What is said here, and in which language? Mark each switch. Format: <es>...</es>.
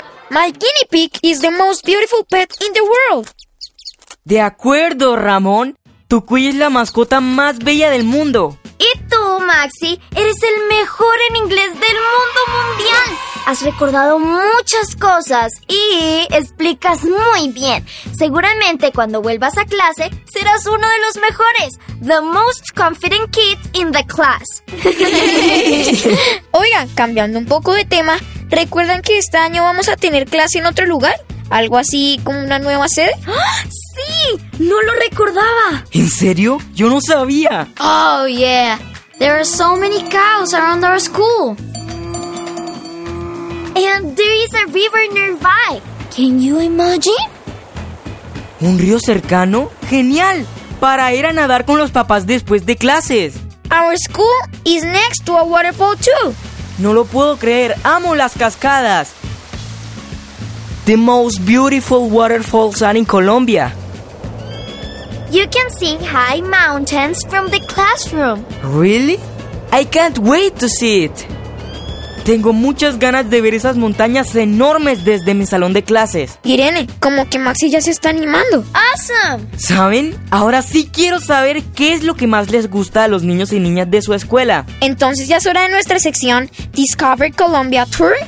<en>My guinea pig is the most beautiful pet in the world.</en> <es>De acuerdo, Ramón. Tu cuy es la mascota más bella del mundo. Y tú, Maxi, eres el mejor en inglés del mundo mundial. Has recordado muchas cosas y explicas muy bien. Seguramente cuando vuelvas a clase, serás uno de los mejores.</es> <en>The most confident kid in the class.</en> <es>Oigan, cambiando un poco de tema, ¿recuerdan que este año vamos a tener clase en otro lugar? ¿Algo así como una nueva sede? ¡Sí! ¡No lo recordaba! ¿En serio? ¡Yo no sabía!</es> <en>¡Oh, yeah! There are so many cows around our school. And there is a river nearby. Can you imagine?</en> <es>¿Un río cercano? ¡Genial! Para ir a nadar con los papás después de clases.</es> <en>Our school is next to a waterfall too.</en> <es>No lo puedo creer. Amo las cascadas.</es> <en>The most beautiful waterfalls are in Colombia. You can see high mountains from the classroom. Really? I can't wait to see it.</en> <es>Tengo muchas ganas de ver esas montañas enormes desde mi salón de clases. Irene, como que Maxi ya se está animando.</es> <en>¡Awesome!</en> <es>¿Saben? Ahora sí quiero saber qué es lo que más les gusta a los niños y niñas de su escuela. Entonces ya es hora de nuestra sección Discover Colombia Tour.</es>